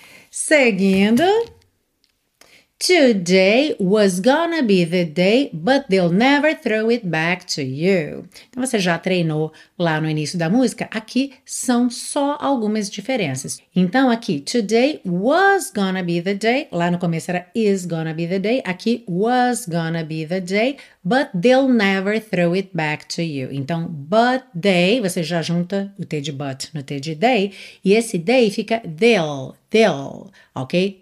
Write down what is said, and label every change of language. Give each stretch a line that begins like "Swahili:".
English: Seguindo. Today was gonna be the day, but they'll never throw it back to you.
Portuguese: Então, você já treinou lá no início da música? Aqui são só algumas diferenças. Então, aqui,
English: today was gonna be the day.
Portuguese: Lá no começo era
English: is gonna be the day.
Portuguese: Aqui,
English: was gonna be the day, But they'll never throw it back to you.
Portuguese: Então,
English: but they,
Portuguese: você já junta o T de but no T de they, e esse they fica they'll, ok?